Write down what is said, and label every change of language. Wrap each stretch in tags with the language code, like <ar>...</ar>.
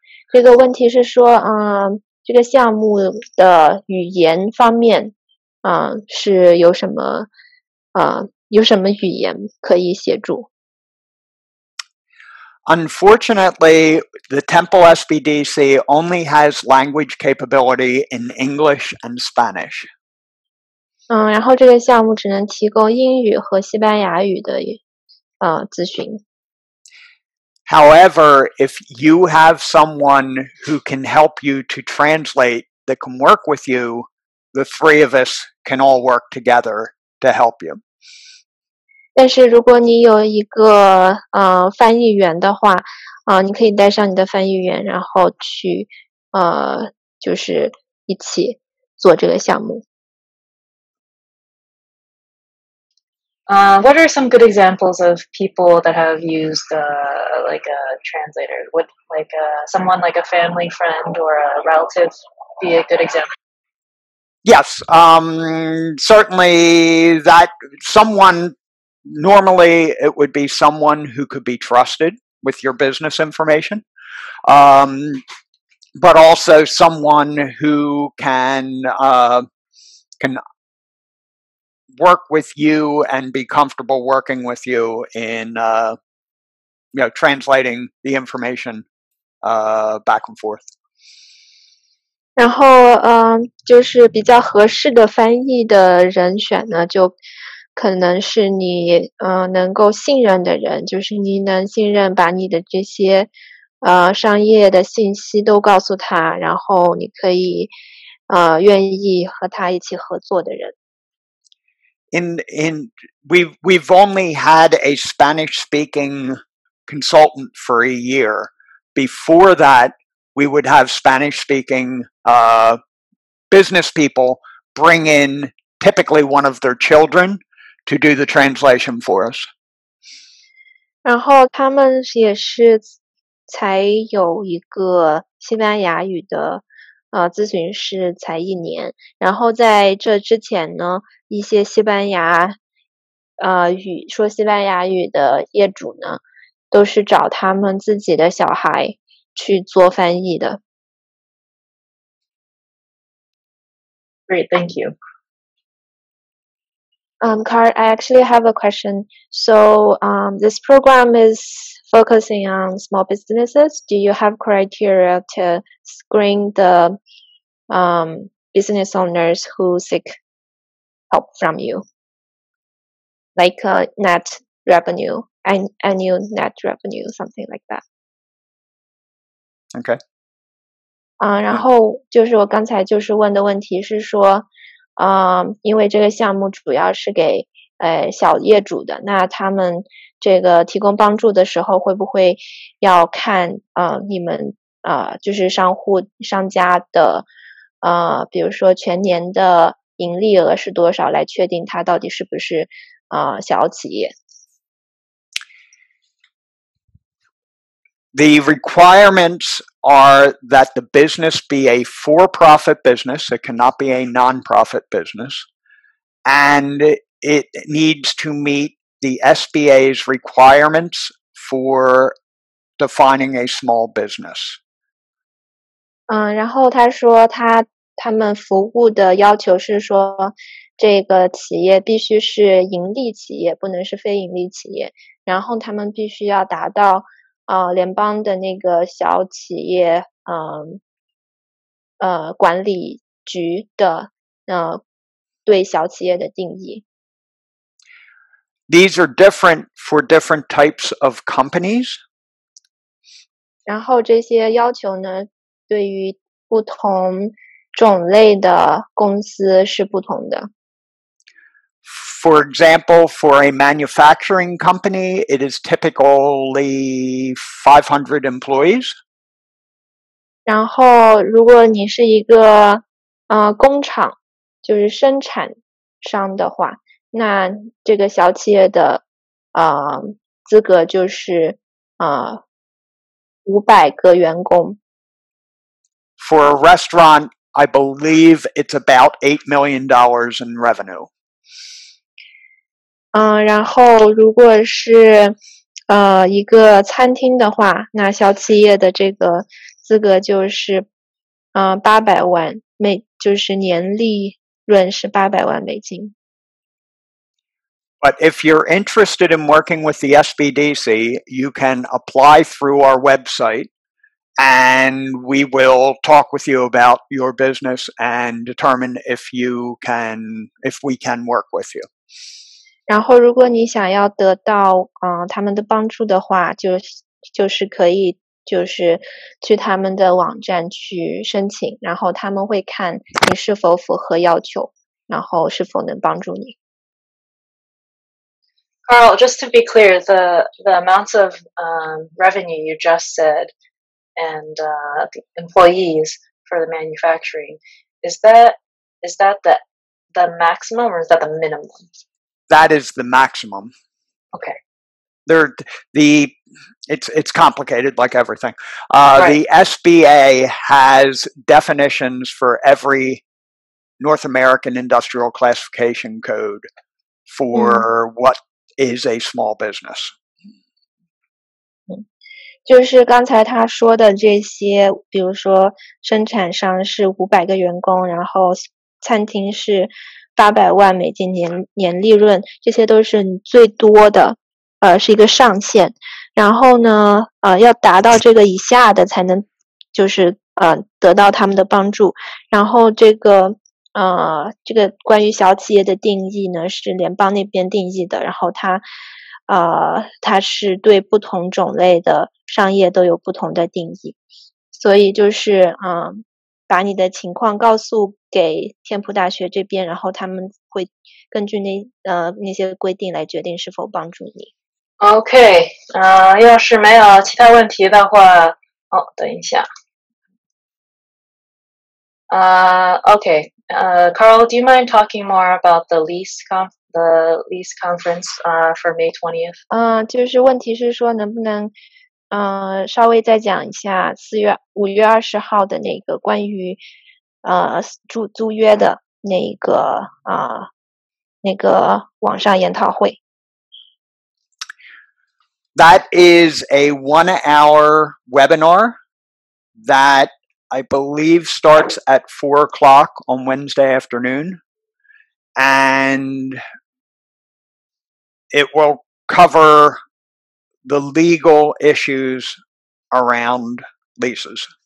<zh>这个问题是说，这个项目的语言方面，是有什么，有什么语言可以协助？</zh> <en>Unfortunately, the Temple SBDC only has language capability in English and Spanish.</en> <zh>然后这个项目只能提供英语和西班牙语的，咨询。</zh> <en>However, if you have someone who can help you to translate, that can work with you, the three of us can all work together to help you.</en> <zh>但是如果你有一个翻译员的话，你可以带上你的翻译员，然后去就是一起做这个项目。</zh> <en>What are some good examples of people that have used like a translator? Would like someone like a family friend or a relative be a good example? Yes, certainly that someone, normally it would be someone who could be trusted with your business information, but also someone who can work with you and be comfortable working with you in, translating the information back and forth.</en> <zh>然后，就是比较合适的翻译的人选呢，就可能是你，能够信任的人，就是你能信任把你的这些，商业的信息都告诉他，然后你可以愿意和他一起合作的人。</zh> <en>We've only had a Spanish speaking consultant for a year. Before that, we would have Spanish speaking business people bring in typically one of their children to do the translation for us.</en> <zh>然后他们也是才有一个西班牙语的咨询师才一年，然后在这之前呢，一些西班牙语说西班牙语的业主呢，都是找他们自己的小孩去做翻译的。</zh> <en>Great, thank you. Carl, I actually have a question. So, this program is focusing on small businesses. Do you have criteria to screen the business owners who seek help from you, like net revenue, annual net revenue, something like that? Okay.</en> <zh>然后就是我刚才就是问的问题是说，因为这个项目主要是给小业主的，那他们这个提供帮助的时候会不会要看你们就是商家的比如说全年的盈利额是多少，来确定他到底是不是小企业。</zh> <en>The requirements are that the business be a for-profit business, it cannot be a non-profit business, and it needs to meet the SBA's requirements for defining a small business.</en> <zh>然后他说他们服务的要求是说这个企业必须是盈利企业，不能是非盈利企业，然后他们必须要达到联邦的那个小企业管理局的对小企业的定义。</zh> <en>These are different for different types of companies.</en> <zh>然后这些要求呢对于不同种类的公司是不同的。</zh> <en>For example, for a manufacturing company, it is typically 500 employees.</en> <zh>然后如果你是一个工厂，就是生产商的话，那这个小企业的资格就是500个员工。</zh> <en>For a restaurant, I believe it's about $8 million in revenue.</en> <zh>然后如果是一个餐厅的话，那小企业的这个资格就是800万美，就是年利润是800万美金。</zh> <en>But if you're interested in working with the SBDC, you can apply through our website and we will talk with you about your business and determine if we can work with you.</en> <zh>然后如果你想要得到他们的帮助的话，就是可以就是去他们的网站去申请，然后他们会看你是否符合要求，然后是否能帮助你。</zh> <en>Carl, just to be clear, the amounts of revenue you just said and the employees for the manufacturing, is that the maximum or is that the minimum? That is the maximum. Okay. It's complicated like everything. Right. The SBA has definitions for every North American industrial classification code for what is a small business.</en> <zh>就是刚才他说的这些，比如说生产商是500个员工，然后餐厅是800万美金年利润，这些都是最多的，是一个上限。然后呢，要达到这个以下的才能，就是得到他们的帮助。然后这个关于小企业的定义呢，是联邦那边定义的。然后它，它是对不同种类的商业都有不同的定义。所以就是把你的情况告诉给天普大学这边，然后他们会根据那些规定来决定是否帮助你。 OK, 要是没有其他问题的话，哦，等一下。</zh> <en>OK, Carl, do you mind talking more about the lease conference for May 20th?</en> <zh>就是问题是说能不能稍微再讲一下5月20号的那个关于租约的那个网上研讨会。</zh> <en>That is a one-hour webinar that I believe starts at 4 o'clock on Wednesday afternoon, and it will cover the legal issues around leases.</en>